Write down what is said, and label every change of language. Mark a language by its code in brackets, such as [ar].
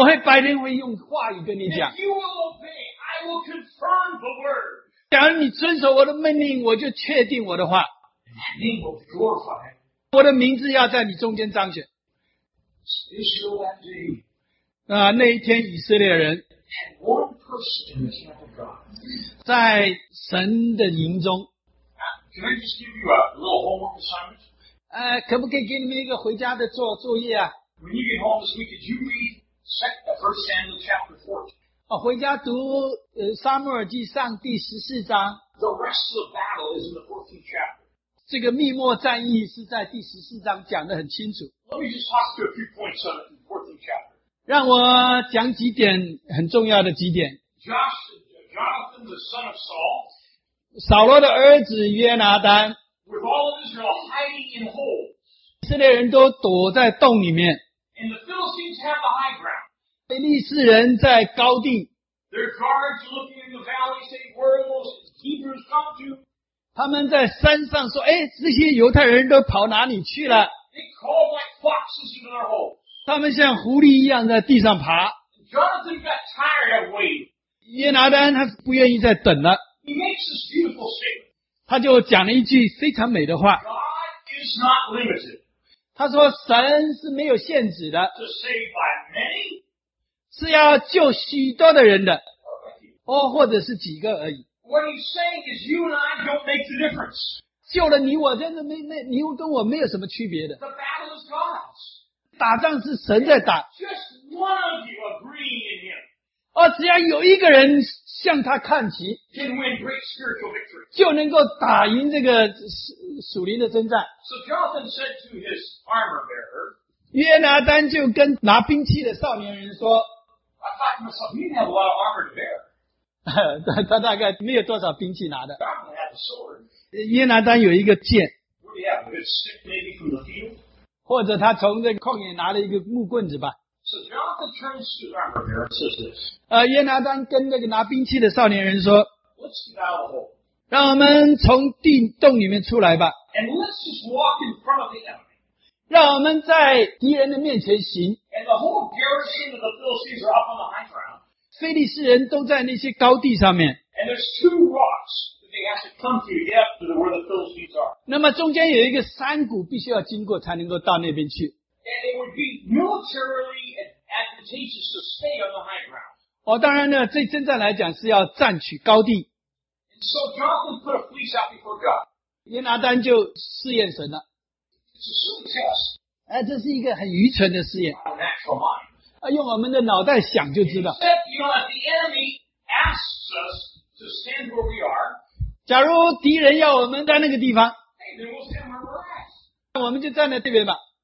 [zh] 我会白天会用话语跟你讲。 [en] If you will obey, I will confirm the word. [zh] 假如你遵守我的命令，我就确定我的话。 [en] My name will be glorified. [zh] 我的名字要在你中间彰显。Israel [en] that day. [zh] 那一天以色列人。 [en] And one person in the temple of God. [zh] 在神的营中。 [en] Can I just give you a little homework assignment? [zh] 可不可以给你们一个回家的作业啊? [en] When you get home this week, did you read 1 Samuel chapter 14? [zh] 回家读撒母耳记上第14章。 [en] The rest of the battle is in the 14th chapter. [zh] 这个密末战役是在第14章讲得很清楚。 [en] Let me just talk to a few points on the 14th chapter. [zh] 让我讲几点很重要的几点。 [en] Jonathan, the son of Saul. [zh] 扫罗的儿子约拿丹 [en] with all of Israel hiding in holes. [zh] 以色列人都躲在洞里面。 [en] And the Philistines have the high ground. [zh] 非利士人在高地。 [en] There's guards looking in the valley saying, where will those Hebrews come to? [zh] 他们在山上说, 诶, 这些犹太人都跑哪里去了? [en] They call like foxes in their holes. [zh] 他们像狐狸一样在地上爬。 [en] Jonathan got tired of waiting. [zh] 耶拿单他不愿意再等了。 [en] He makes this beautiful statement. [zh] 他就讲了一句非常美的话。 [en] God is not limited. [zh] 他说神是没有限制的, [en] to save by many? [zh] 是要救许多的人的, 或者是几个而已。 [en] What he's saying is you and I don't make the difference. [zh] 救了你我真的没你跟我没有什么区别的。 [en] The battle is God's. [zh] 打仗是神在打。 [en] Just one of you agreeing in him. [zh] 只要有一个人向他看齐, [en] can win great spiritual victory. [zh] 就能够打赢这个属灵的征战。 [en] So Jonathan said to his armor bearer, [zh] 约拿单就跟拿兵器的少年人说, [en] I thought to myself, you have a lot of armor to bear. [zh] 他大概没有多少兵器拿的。约拿单有一个剑, [en] would he have a good stick maybe from the field? [zh] 或者他从这个旷野拿了一个木棍子吧。 [en] So Jonathan turns to the armor bearer and says this. [zh] 约拿单跟那个拿兵器的少年人说, [en] let's get out of the hole. [zh] 让我们从地洞里面出来吧。 [en] And let's just walk in front of the enemy. [zh] 让我们在敌人的面前行。 [en] And the whole garrison of the Philistines are up on the high ground. [zh] 非利士人都在那些高地上面。 [en] And there's two rocks that they have to come through to get up to where the Philistines are. [zh] 那么中间有一个山谷必须要经过才能够到那边去。 [en] And it would be militarily advantageous to stay on the high ground. [zh] 当然呢，这征战来讲是要占取高地。 [en] And so Jonathan put a fleece out before God. [zh] 耶拿单就试验神了。 [en] It's a silly test. [zh] 这是一个很愚蠢的试验。 [en] Our natural mind. [zh] 用我们的脑袋想就知道。 [en] Except, you know, if the enemy asks us to stand where we are, [zh] 假如敌人要我们在那个地方, [en] hey, then we'll stand where we're at. [zh] 那我们就站在这边吧。